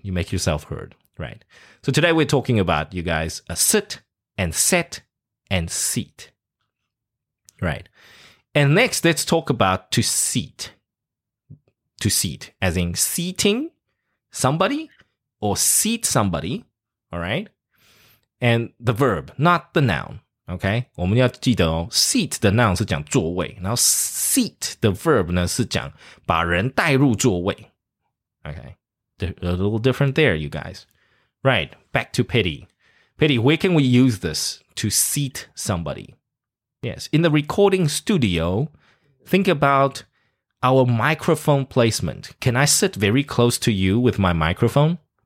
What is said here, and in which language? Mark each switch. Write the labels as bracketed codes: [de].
[en] You make yourself heard, right? So today we're talking about, you guys, a sit and set and seat, right? And next, let's talk about to seat. To seat, as in seating somebody or seat somebody, all right? And the verb, not the noun, okay? [zh] 我们要记得哦 ,seat 的 noun 是讲座位，然后 seat 的 verb 呢是讲把人带入座位。 [en] Okay, a little different there, you guys. Right, back to Pity. Pity, where can we use this to seat somebody? Yes, in the recording studio, think about our microphone placement. Can I sit very close to you with my microphone?